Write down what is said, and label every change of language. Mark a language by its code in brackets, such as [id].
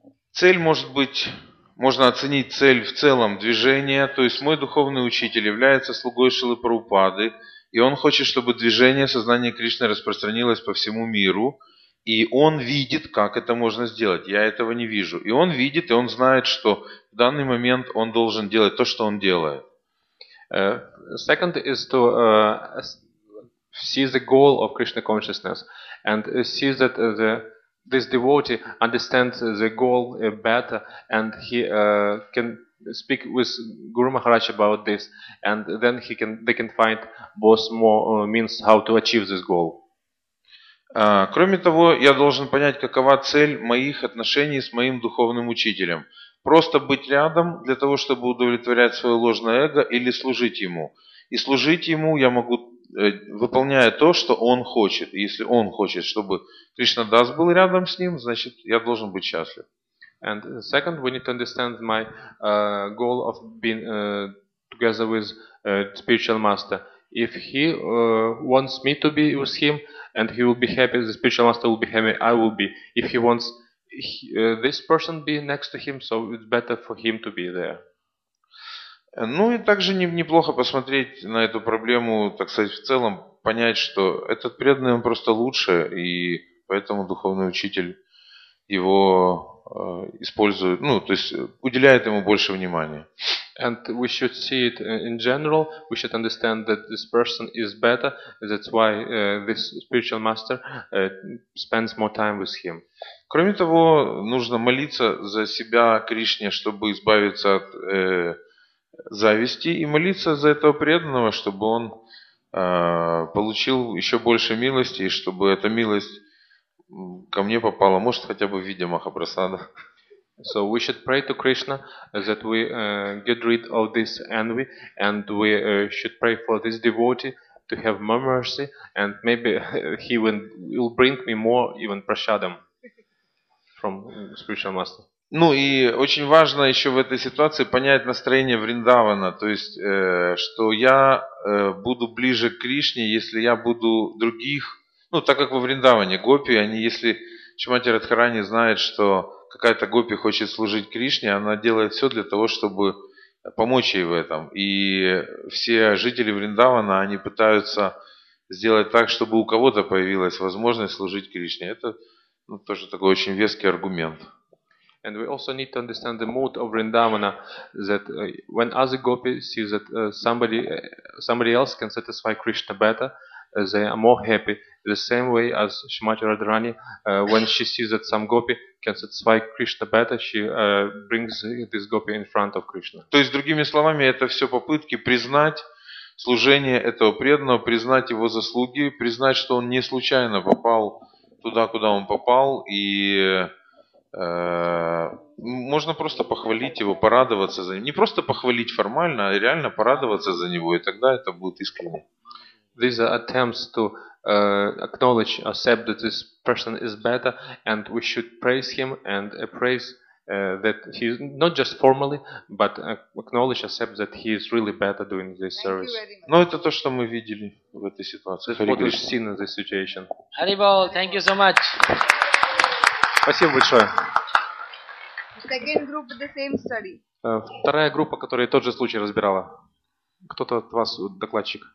[ru] Цель может быть, можно оценить цель в целом движения, то есть мой духовный учитель является слугой Шилы Прабхупады, и он хочет, чтобы движение сознания Кришны распространилось по всему миру, И он видит, как это можно сделать. Я этого не вижу. И он видит, и он знает, что в данный момент он должен делать то, что он делает. [en] Second is to see the goal of Krishna consciousness and see that this devotee understands the goal better and he can speak with Guru Maharaj about this and then they can find both more means how to achieve this goal. [ru] Кроме того, я должен понять, какова цель моих отношений с моим духовным учителем. Просто быть рядом для того, чтобы удовлетворять свое ложное эго или служить ему. И служить ему я могу, выполняя то, что он хочет. Если он хочет, чтобы Кришна Дас был рядом с ним, значит, я должен быть счастлив. [en] And second, we need to understand my goal of being together with spiritual master. If he wants me to be with him, and he will be happy, the spiritual master will be happy, I will be. If he wants this person be next to him, so it's better for him to be there. [ru] Ну и также неплохо посмотреть на эту проблему, так сказать, в целом, понять, что этот преданный, он просто лучше, и поэтому духовный учитель его использует, ну, то есть уделяет ему больше внимания. [en] And we should see it in general, we should understand that this person is better, that's why this spiritual master spends more time with him. [ru] Кроме того, нужно молиться за себя, Кришне, чтобы избавиться от зависти и молиться за этого преданного, чтобы он получил еще больше милости и чтобы эта милость ко мне попала, может, хотя бы в виде Махапрасада. [en] So we should pray to Krishna that we get rid of this envy and we should pray for this devotee to have more mercy and maybe he will bring me more even prashadam from spiritual master. [ru] Ну и очень важно еще в этой ситуации понять настроение Вриндавана, то есть что я буду ближе к Кришне, если я буду других, ну так как во Вриндаване гопи, они, если Шримати Радхарани знает, что какая-то гопи хочет служить Кришне, она делает все для того, чтобы помочь ей в этом. И все жители Вриндавана, они пытаются сделать так, чтобы у кого-то появилась возможность служить Кришне. Это, ну, тоже такой очень веский аргумент. [en] And we also need to understand the mood of Vrindavana, that when other gopis see that somebody else can satisfy Krishna better, they are more happy. The same way as Srimati Radharani, when she sees that some gopi can satisfy Krishna better, she brings this gopi in front of Krishna. [ru] То есть, другими словами, это все попытки признать служение этого преданного, признать его заслуги, признать, что он не случайно попал туда, куда он попал, и можно просто похвалить его, порадоваться за ним. Не просто похвалить формально, а реально порадоваться за него, и тогда это будет искренне. [en] These are attempts to acknowledge, accept that this person is better, and we should praise him and praise that he is not just formally, but acknowledge, accept that he is really better doing this service. [ru] Но это то, что мы видели в этой ситуации. [en] What we've seen in this situation. Haribol, thank you so much. [ru] Спасибо большое. [en] Second group, the same study. [ru] Вторая группа, которая тот же случай разбирала. Кто-то от вас докладчик?